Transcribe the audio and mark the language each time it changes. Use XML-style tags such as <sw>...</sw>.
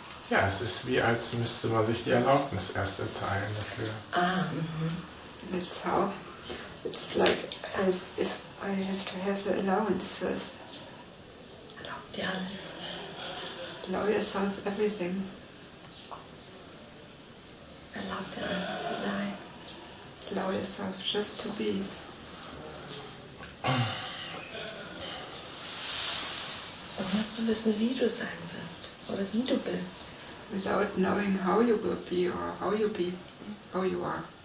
<de>Ja, es ist wie, als müsste man sich die Erlaubnis erst erteilen dafür.</de> <en>That's how. It's like as if I have to have the allowance first.</en> <de>Erlaub dir alles.</de> <en>Allow yourself everything.</en> <de>Erlaub dir einfach zu sein.</de> <en>Allow yourself just to be.</en> <de>Ohne zu wissen, wie du sein wirst oder wie du bist.</de> <en>Without knowing how you will be or how you be, how you are.</en>